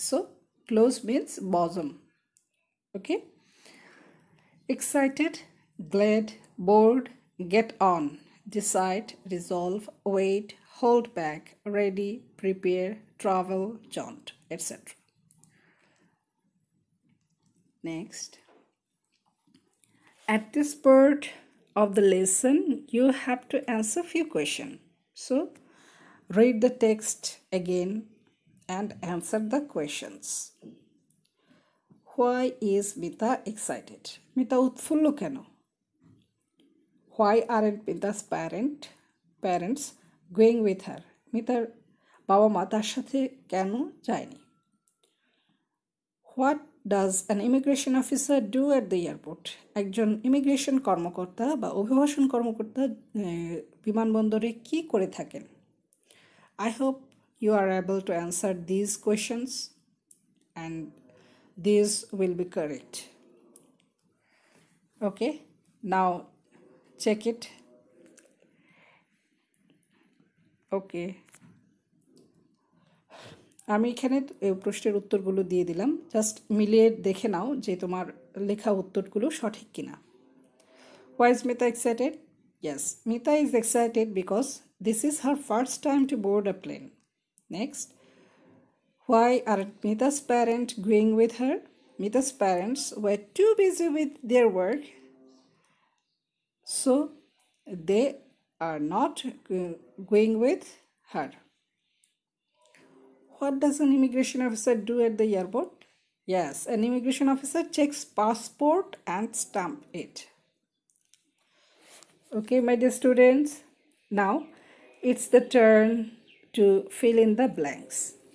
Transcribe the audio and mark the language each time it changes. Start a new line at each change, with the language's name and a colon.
English: So close means বজম। Okay, excited, glad, board, get on, decide, resolve, wait, hold back, ready, prepare, travel, jaunt, etcetera. Next, at this part of the lesson, you have to answer few questions. So, read the text again and answer the questions. Why is Mita excited?
Bangla: Mita utfullo keno?
English: Why aren't Mita's parents going with her?
Bangla: Mita baba ma tar sathe keno jayni?
English: What does an immigration officer do at the airport?
Bangla: একজন immigration কর্মকর্তা বা অভিবাসন কর্মকর্তা বিমানবন্দরে কী করে থাকেন?
English: I hope you are able to answer these questions and these will be correct. Okay, now check it. Okay.
Bangla: আমি এখানে প্রশ্নের উত্তরগুলো দিয়ে দিলাম, জাস্ট মিলিয়ে দেখে নাও যে তোমার লেখা উত্তরগুলো সঠিক কিনা।
English: Why is Mita excited? Yes, Mita is excited because this is her first time to board a plane. Next, why are Mita's parent going with her? Mita's parents were too busy with their work, so they are not going with her. What does an immigration officer do at the airport? Yes, an immigration officer checks passport and stamp it. Okay, my dear students, now it's the turn to fill in the blanks.